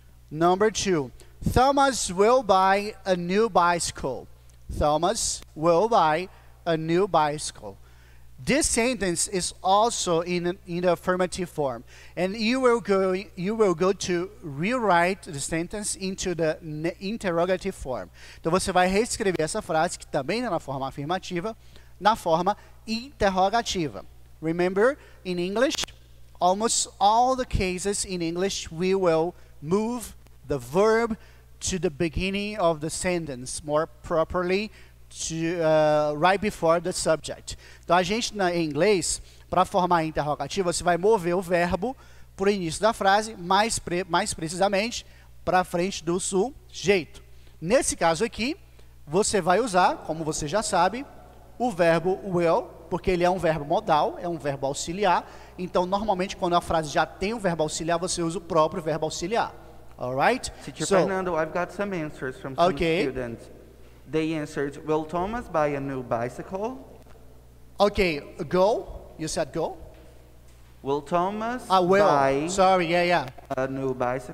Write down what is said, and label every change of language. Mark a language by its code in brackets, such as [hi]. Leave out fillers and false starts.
[en] Number two. Thomas will buy a new bicycle. Thomas will buy a new bicycle. This sentence is also in the affirmative form. And you will go to rewrite the sentence into the interrogative form. [pt] Então você vai reescrever essa frase, que também está na forma afirmativa, na forma interrogativa. [en] Remember, in English, almost all the cases in English, we will move the verb to the beginning of the sentence, more properly, right before the subject. [pt] Então, a gente, em inglês, para formar a interrogativa, você vai mover o verbo para o início da frase, mais precisamente, para frente do sujeito. Nesse caso aqui, você vai usar, como você já sabe, o verbo will, porque ele é um verbo modal, é um verbo auxiliar. Então, normalmente, quando a frase já tem um verbo auxiliar, você usa o próprio verbo auxiliar. [en] All right? Teacher Fernando, I've got some answers from some students. They answered, will Thomas buy a new bicycle? Okay, go. You said go. Will Thomas buy a new bicycle?